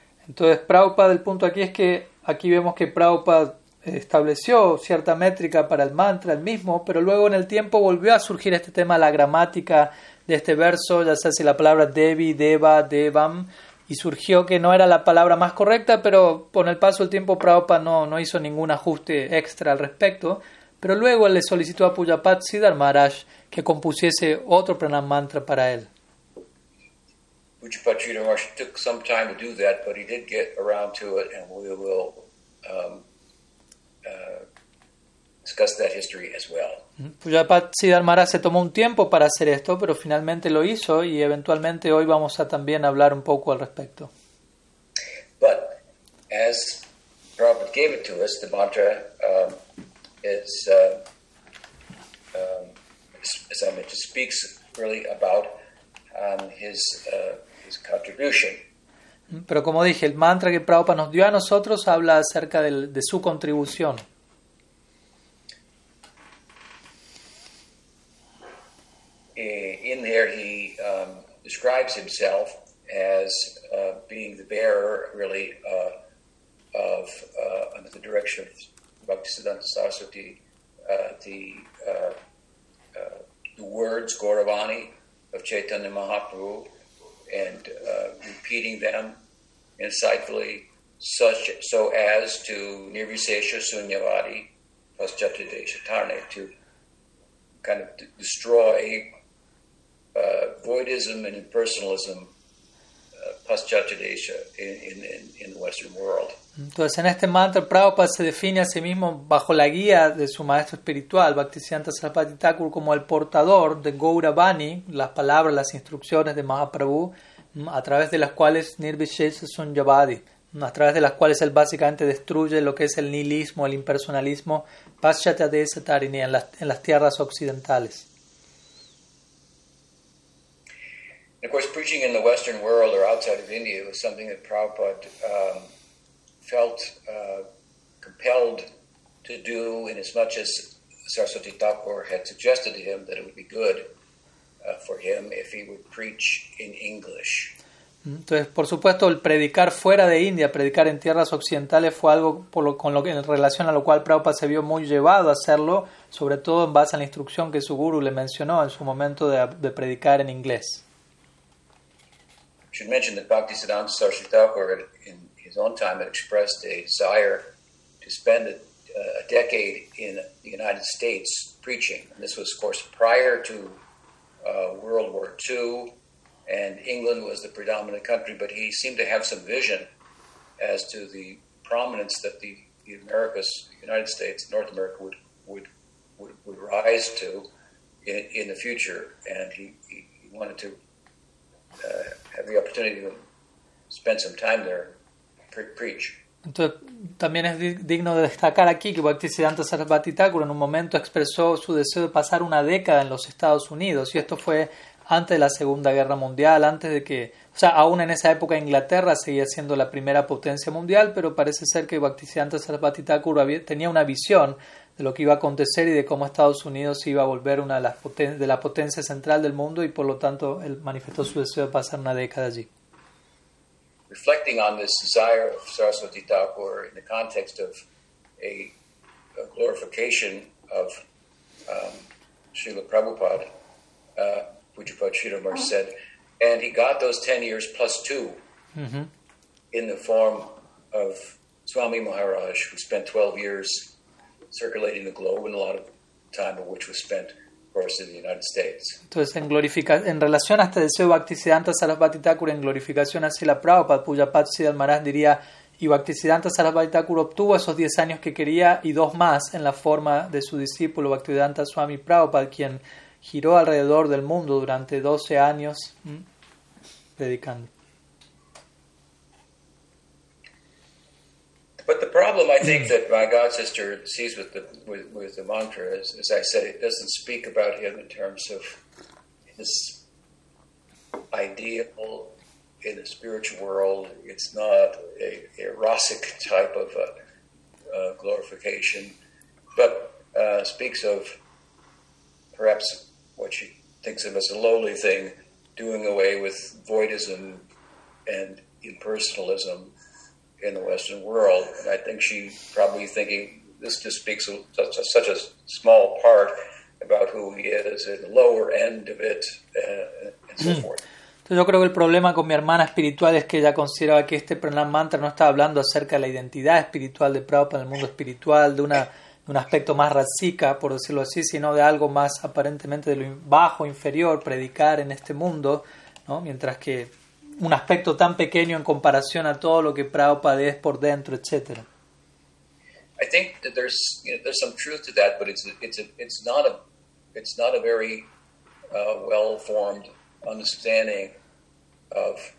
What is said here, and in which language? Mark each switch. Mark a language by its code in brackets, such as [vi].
[es] Entonces, Prabhupada, el punto aquí es que aquí vemos que Prabhupada estableció cierta métrica para el mantra, el mismo, pero luego en el tiempo volvió a surgir este tema de la gramática de este verso, ya sea si la palabra Devi, Deva, Devam, y surgió que no era la palabra más correcta, pero con el paso del tiempo Prabhupada no hizo ningún ajuste extra al respecto. Pero luego le solicitó a Pujapad Sridhar Maharaj que compusiese otro Pranam mantra para él. [en] Pujapad Sridhar Maharaj took some time to do that, but he did get around to it, and we will discuss that history as well. [es] Pujapad Sridhar Maharaj se tomó un tiempo para hacer esto, pero finalmente lo hizo y eventualmente hoy vamos a también hablar un poco al respecto. [en] But as Prabhupada gave it to us, the mantra is, as I mentioned, speaks really about his contribution. [es] Pero como dije, el mantra que Prabhupada nos dio a nosotros habla acerca de su contribución. [en] In there he describes himself as being the bearer, really, of under the direction of Bhaktisiddhanta Saraswati, the words, Gauravani, of Chaitanya Mahaprabhu, and repeating them insightfully, so as to [sa] nirvisesha sunyavadi paschatadesha tarne, [en] to kind of destroy voidism and impersonalism paschatadesha in the Western world. [es] Entonces, en este mantra, Prabhupada se define a sí mismo bajo la guía de su maestro espiritual, Bhaktisiddhanta Sarasvati Thakur, como el portador de Gauravani, las palabras, las instrucciones de Mahaprabhu, a través de las cuales [sa] Nirvishesha Sunyavadi, [es] a través de las cuales él básicamente destruye lo que es el nihilismo, el impersonalismo, [sa] Paschatadesa Tarini, [es] en las tierras occidentales. [en] Of course, preaching in the Western world or outside of India was something that Prabhupada felt compelled to do, in as much as Saraswati Thakur had suggested to him that it would be good for him if he would preach in English. [es] Entonces, por supuesto, el predicar fuera de India, predicar en tierras occidentales, fue algo por lo, con lo que, en relación a lo cual Prabhupada se vio muy llevado a hacerlo, sobre todo en base a la instrucción que su guru le mencionó en su momento de predicar en inglés. [en] Should mention that Bhaktisiddhanta Saraswati Thakur in his own time had expressed a desire to spend a decade in the United States preaching. And this was, of course, prior to World War II, and England was the predominant country, but he seemed to have some vision as to the prominence that the Americas, the United States, North America would rise to in the future, and he wanted to have the opportunity to spend some time there preach. [es] Entonces, también es digno de destacar aquí que Bhaktisiddhanta Sarasvati Thakur en un momento expresó su deseo de pasar una década en los Estados Unidos, y esto fue antes de la Segunda Guerra Mundial, antes de que, o sea, aún en esa época Inglaterra seguía siendo la primera potencia mundial, pero parece ser que Bhaktisiddhanta Sarasvati Thakur tenía una visión de lo que iba a acontecer y de cómo Estados Unidos iba a volver una de la potencia central del mundo, y por lo tanto él manifestó su deseo de pasar una década allí. [en] Reflecting on this desire of Saraswati Thakur in the context of a glorification of Srila Prabhupada, Pujapada Shiromar said, and he got those 10 years plus two in the form of Swami Maharaj, who spent 12 years circulating the globe, and a lot of time of which was spent, of course, in the United States. [es] Entonces, en relación a este deseo de Bhaktisiddhanta Sarasvati Thakur en glorificación a Srila Prabhupada, Pujapada Siddhar Maharaj diría, y Bhaktisiddhanta Sarasvati Thakur obtuvo esos 10 años que quería y dos más en la forma de su discípulo Bhaktisiddhanta Swami Prabhupada, quien giró alrededor del mundo durante 12 años predicando. [en] But the problem, I think, that my god sister sees with the mantra is, as I said, it doesn't speak about him in terms of his ideal in the spiritual world. It's not a rasic type of a glorification, but speaks of perhaps what she thinks of as a lowly thing, doing away with voidism and impersonalism in the Western world. And I think she probably thinking this just speaks such a small part about who he is at the lower end of it, and so forth. [es] Entonces, yo creo que el problema con mi hermana espiritual es que ella consideraba que este Pranam Mantra no estaba hablando acerca de la identidad espiritual de Prabhupada en el mundo espiritual, de una un aspecto más rasika, por decirlo así, sino de algo más aparentemente de lo bajo, inferior, predicar en este mundo, ¿no? Mientras que un aspecto tan pequeño en comparación a todo lo que Prabhupada es por dentro, etc. [en] I think that there's, you know, there's some truth to that, but it's not a very well-formed understanding of